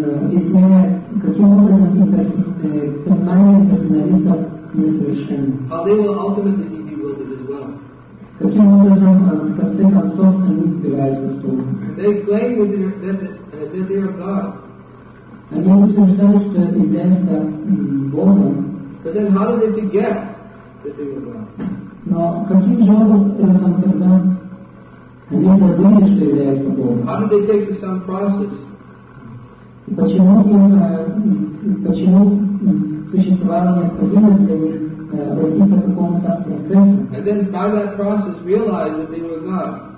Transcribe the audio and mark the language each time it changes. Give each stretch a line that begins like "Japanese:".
Russian: Если каким образом понимание персоналистов несовершенно.
English: How they will ultimately be bewildered as well.
Russian: Каким образом в конце концов они сбиваются с толку.
English: They claim that they are God.
Russian: Они утверждают, что являются Богом.
English: But then how did they forget that they were God?
Russian: Но каким же образом тогда они забыли, что являются Богом?
English: How did they take the sun process?
Russian: Почему существовало необходимость для них обратиться к какому-то процессу?
English: And then by that process realize that they were God.